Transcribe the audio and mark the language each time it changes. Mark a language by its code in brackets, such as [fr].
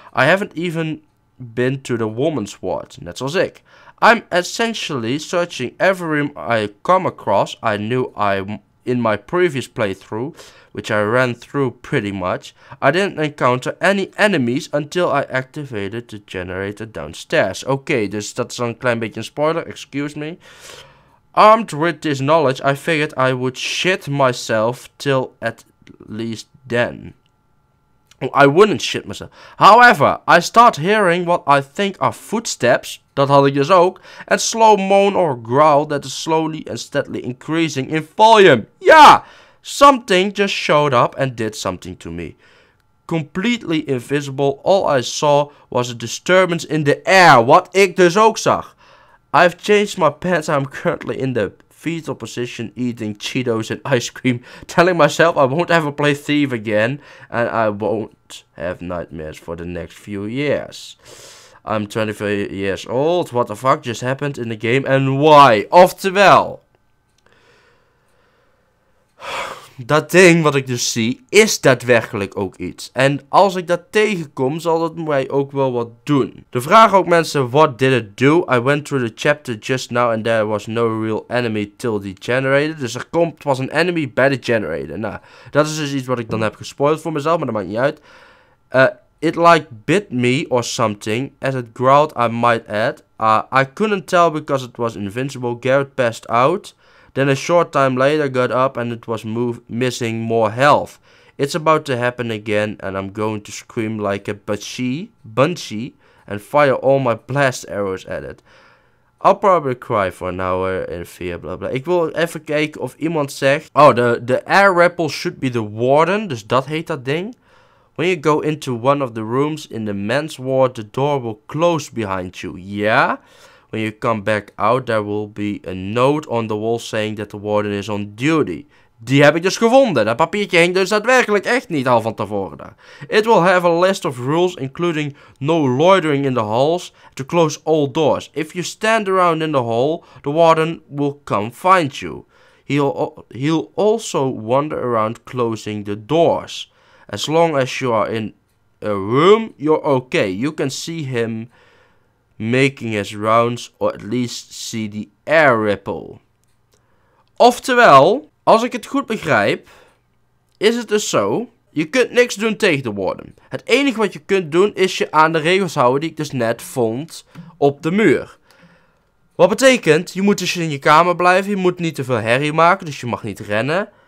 [en] I haven't even been to the woman's ward, [nl] net zoals ik. [en] I'm essentially searching every room I come across. I knew I'm in my previous playthrough, which I ran through pretty much, I didn't encounter any enemies until I activated the generator downstairs. [nl] Okay, dus dat is een klein beetje een spoiler, [en] excuse me. Armed with this knowledge, I figured I would shit myself till at least then. I wouldn't shit myself. However, I start hearing what I think are footsteps, [nl] dat had ik dus ook, [en] and slow moan or growl that is slowly and steadily increasing in volume. Yeah! Something just showed up and did something to me. Completely invisible, all I saw was a disturbance in the air, [nl] wat ik dus ook zag. [en] I've changed my pants, I'm currently in the fetal position eating Cheetos and ice cream, telling myself I won't ever play Thief again, and I won't have nightmares for the next few years. I'm 24 years old, what the fuck just happened in the game and why? [nl] Oftewel... Dat ding wat ik dus zie, is daadwerkelijk ook iets. En als ik dat tegenkom, zal dat mij ook wel wat doen. De vraag ook mensen, [en] what did it do? I went through the chapter just now and there was no real enemy till the generator. [nl] Dus er komt, was een enemy bij de generator. Nou, dat is dus iets wat ik dan heb gespoild voor mezelf, maar dat maakt niet uit. [en] It like bit me or something, as it growled I might add. I couldn't tell because it was invincible, Garrett passed out. Then a short time later got up and it was missing more health. It's about to happen again and I'm going to scream like a banshee and fire all my blast arrows at it. I'll probably cry for an hour in fear, blah blah. [nl] Ik wil even kijken of iemand zegt... [en] Oh, the air ripple should be the warden, [nl] dus dat heet dat ding. [en] When you go into one of the rooms in the men's ward, the door will close behind you. Yeah? When you come back out, there will be a note on the wall saying that the warden is on duty. [nl] Die heb ik dus gevonden. Dat papiertje hing dus daadwerkelijk echt niet al van tevoren. [en] It will have a list of rules, including no loitering in the halls, to close all doors. If you stand around in the hall, the warden will come find you. He'll also wander around closing the doors. As long as you are in a room, you're okay. You can see him... making his rounds, or at least see the air ripple. [nl] Oftewel, als ik het goed begrijp, is het dus zo, je kunt niks doen tegen de warden. Het enige wat je kunt doen, is je aan de regels houden die ik dus net vond op de muur. Wat betekent, je moet dus in je kamer blijven, je moet niet te veel herrie maken, dus je mag niet rennen.